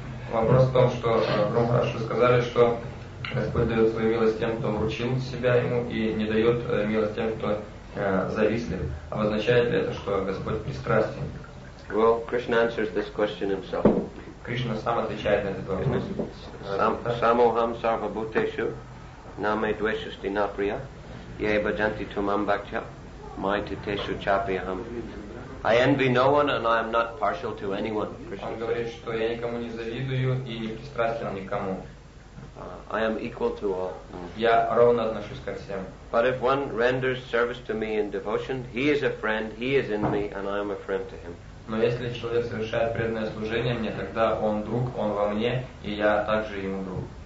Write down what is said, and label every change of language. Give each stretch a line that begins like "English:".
Russian: Вопрос в том, что Гром хорошо сказали, что Господь дает свою милость тем, кто вручил себя ему, и не дает милость тем, кто завистлив. А означает ли это, что Господь пристрастен?
English: Well, Krishna answers this question himself.
Russian: Кришна сам отвечает на этот вопрос.
Sanskrit: Самохам сарвабутешу намедвешусти наприя, ебаджанти тумам бхакча, майтетешу чапиахам.
English: I envy no one and I am not partial to anyone.
Russian: Он говорит, что я никому не завидую и не пристрастен никому.
English: I am equal to all.
Russian: Я ровно отношусь ко всем.
English: But if one renders service to me in devotion, he is a friend, he is in me, and I am a friend to him.
Russian: Но если человек совершает преданное служение мне, тогда он друг, он во мне, и я также ему друг.